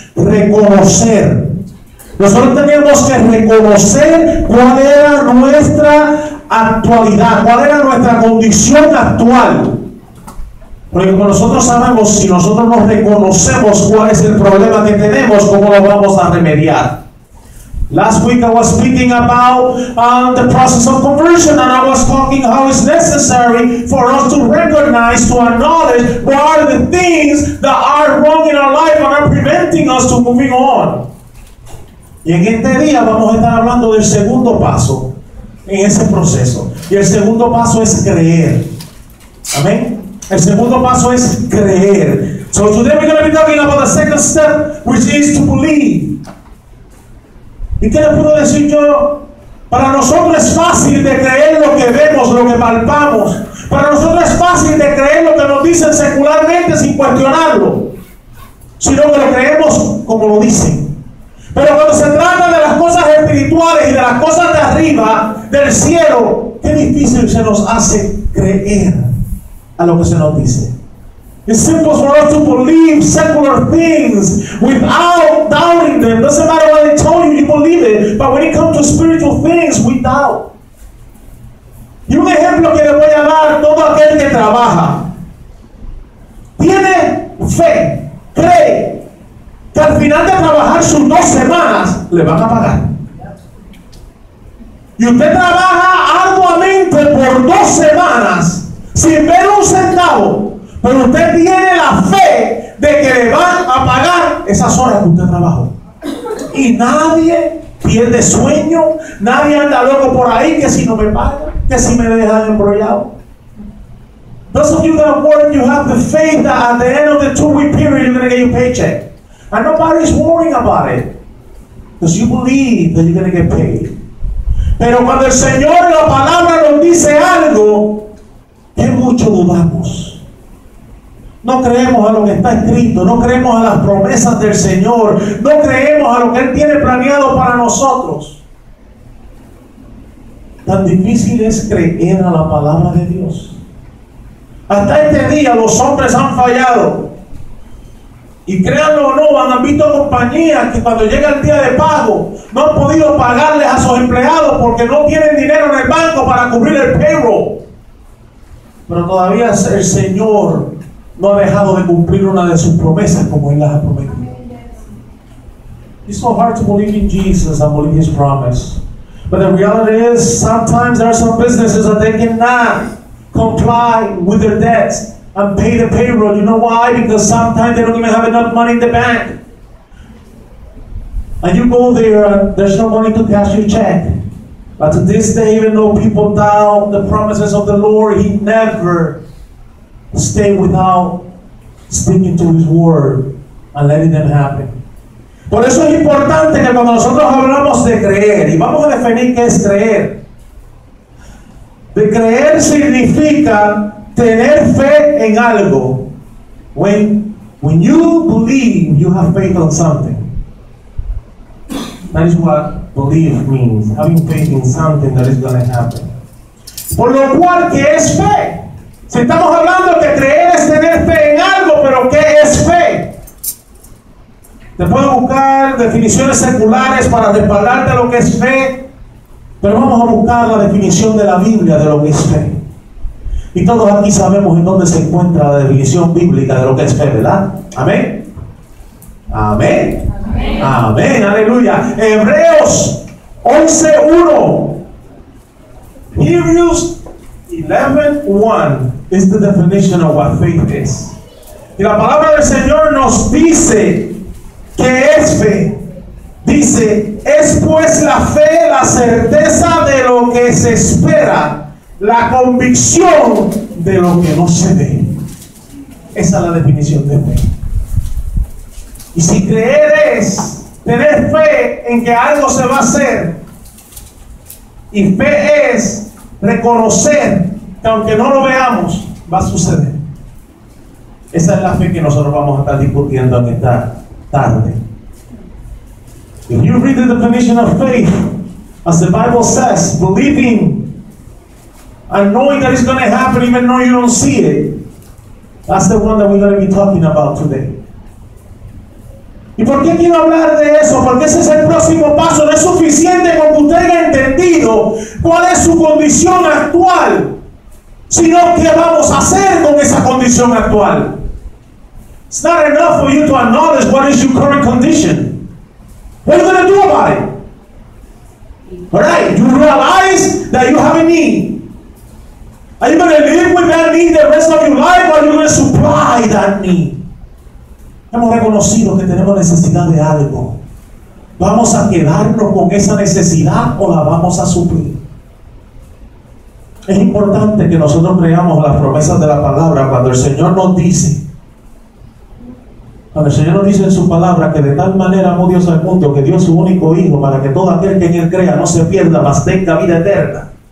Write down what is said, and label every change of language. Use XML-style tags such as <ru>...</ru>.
<es>Reconocer. Nosotros teníamos que reconocer cuál era nuestra actualidad, cuál era nuestra condición actual. Porque como nosotros sabemos, si nosotros no reconocemos cuál es el problema que tenemos, ¿cómo lo vamos a remediar?</es> <en>Last week I was speaking about the process of conversion, and I was talking how it's necessary for us to recognize, to acknowledge what are the things that are wrong in our life and are preventing us to moving on.</en> <es>Y en este día vamos a estar hablando del segundo paso en ese proceso. Y el segundo paso es creer. Amén. El segundo paso es creer.</es> <en>So today we're going to be talking about the second step, which is to believe.</en> <es>¿Y qué les puedo decir yo? Para nosotros es fácil de creer lo que vemos, lo que palpamos. Para nosotros es fácil de creer lo que nos dicen secularmente sin cuestionarlo, sino que lo creemos como lo dicen. Pero cuando se trata de las cosas espirituales y de las cosas de arriba, del cielo, qué difícil se nos hace creer a lo que se nos dice.</es> <en>It's simple for us to believe secular things without doubting them. Doesn't matter what they told you, you believe it. But when it comes to spiritual things, we doubt.</en> <es>Y un ejemplo que le voy a dar: todo aquel que trabaja tiene fe, cree que al final de trabajar sus 2 semanas le van a pagar. Y usted trabaja arduamente por 2 semanas sin ver un centavo, pero usted tiene la fe de que le van a pagar esas horas que usted trabajó. Y nadie pierde sueño, nadie anda loco por ahí que si no me pagan, que si me dejan embrollado.</es> <en>Those of you that work, you have the faith that at the end of the 2-week period you're going to get your paycheck. And nobody's worrying about it, because you believe that you're going to get paid.</en> <es>Pero cuando el Señor en la palabra nos dice algo, que mucho dudamos. No creemos a lo que está escrito, no creemos a las promesas del Señor, no creemos a lo que Él tiene planeado para nosotros. Tan difícil es creer a la palabra de Dios. Hasta este día los hombres han fallado. Y créanlo o no, han visto compañías que cuando llega el día de pago no han podido pagarles a sus empleados porque no tienen dinero en el banco para cubrir el payroll. Pero todavía el Señor no ha dejado de cumplir una de sus promesas como Él las ha prometido.</es> <en>It's so hard to believe in Jesus and believe His promise. But the reality is, sometimes there are some businesses that they cannot comply with their debts and pay the payroll. You know why? Because sometimes they don't even have enough money in the bank. And you go there and there's no money to cash your check. But to this day, even though people doubt the promises of the Lord, He never stayed without speaking to His word and letting them happen.</en> <es>Por eso es importante que cuando nosotros hablamos de creer, y vamos a definir qué es creer. De creer significa tener fe en algo.</es> <en>When you believe, you have faith on something. That is what believe means, having faith in something that is going to happen.</en> <es>Por lo cual, ¿qué es fe? Si estamos hablando que creer es tener fe en algo, ¿pero qué es fe? Te puedo buscar definiciones seculares para respaldarte lo que es fe, pero vamos a buscar la definición de la Biblia de lo que es fe. Y todos aquí sabemos en dónde se encuentra la definición bíblica de lo que es fe, ¿verdad? Amén. Amén. Amén. Amén. Aleluya. Hebreos 11:1.</es> <en>Hebrews 11:1 is the definition of what faith is.</en> <es>Y la palabra del Señor nos dice que es fe. Dice, es pues la fe, la certeza de lo que se espera, la convicción de lo que no se ve. Esa es la definición de fe. Y si creer es tener fe en que algo se va a hacer, y fe es reconocer que aunque no lo veamos, va a suceder. Esa es la fe que nosotros vamos a estar discutiendo en esta tarde.</es> <en>If you read the definition of faith, as the Bible says, believing and knowing that it's going to happen even though you don't see it, that's the one that we're going to be talking about today.</en> <es>¿Y por qué quiero hablar de eso? Porque ese es el próximo paso. No es suficiente con que usted haya entendido cuál es su condición actual, sino qué vamos a hacer con esa condición actual.</es> <en>It's not enough for you to acknowledge what is your current condition. What are you going to do about it? Alright, you realize that you have a need. Are you going to live with that need the rest of your life, or are you going to supply that need?</en> <es>Hemos reconocido que tenemos necesidad de algo. ¿Vamos a quedarnos con esa necesidad o la vamos a suplir? Es importante que nosotros creamos las promesas de la palabra cuando el Señor nos dice. Cuando el Señor nos dice en su palabra que de tal manera amó Dios al mundo que dio su único Hijo para que todo aquel que en Él crea no se pierda, mas tenga vida eterna.</es>